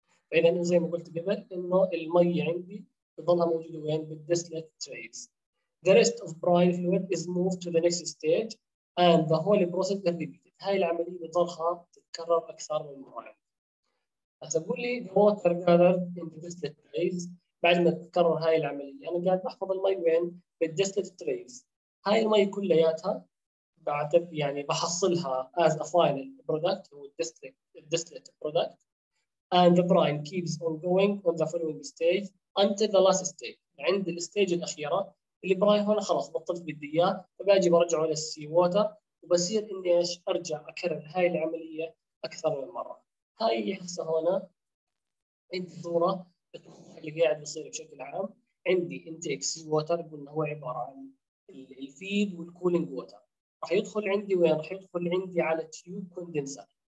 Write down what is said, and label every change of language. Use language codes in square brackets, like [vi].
[ar] فإذا زي ما قلت قبل إنه المي عندي بضلها موجودة وين؟ بالdistilled trays. [en] The rest of prime fluid is moved to the next stage and the whole process is repeated. [ar] هاي العملية بضلها تتكرر أكثر من مرة. هسا بقول لي [en] the water gathered into distilled trays. [ar] بعد ما تتكرر هاي العملية أنا قاعد بحفظ المي وين؟ بالديستلت تريز. هاي المي كلياتها بعتب يعني بحصلها [en] as a final product [ar] هو الديستلت [en] product and the brine keeps on going on the following stage until the last stage. [ar] عند الستيج الأخيرة اللي براي هون خلاص بطلت بدي إياه، فباجي برجعه للسي ووتر وبصير إني إيش؟ أرجع أكرر هاي العملية أكثر من مرة. هاي هسه هون عندي صورة اللي قاعد بيصير بشكل عام. عندي انتيك سي ووتر قلنا هو عباره عن الفيد والكولينج ووتر، راح يدخل عندي وين؟ راح يدخل عندي على تيوب كوندنسر.